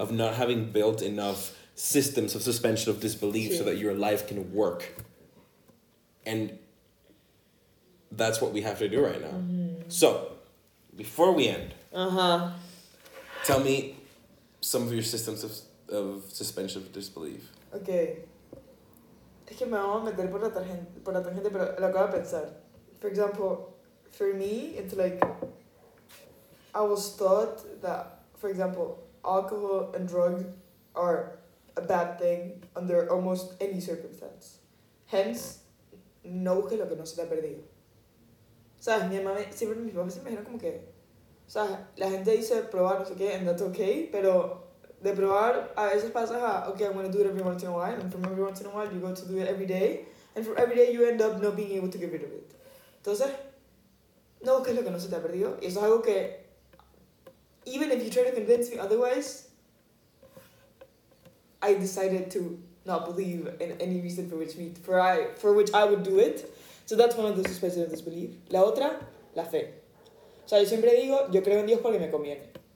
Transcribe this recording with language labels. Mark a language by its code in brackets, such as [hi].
[en] of not having built enough systems of suspension of disbelief so that your life can work. And that's what we have to do right now. Mm-hmm. So, before we end, uh-huh. tell me some of your systems of suspension of disbelief. Okay. [es] Es que me voy a meter por la tangente, pero lo acabo de pensar. [en] For example, for me, it's like, I was taught that, for example, alcohol and drugs are a bad thing under almost any circumstance. [es] Hence, no busques lo que no se te ha perdido. ¿Sabes? Mi mamá, siempre mis papás se imaginan como que, ¿sabes? La gente dice probar, no sé qué, [en] and that's okay, pero... [es] De probar, a veces pasas a, [en] okay, I'm going to do it every once in a while. And from every once in a while, you go to do it every day. And from every day, you end up not being able to get rid of it. [es] Entonces, no, ¿qué es lo que no se te ha perdido? Y eso es algo que, [en] even if you try to convince me otherwise, I decided to not believe in any reason for which I would do it. So that's one of the suspensions of disbelief. [es] La otra, la fe. O sea, yo siempre digo, yo creo en Dios porque me conviene.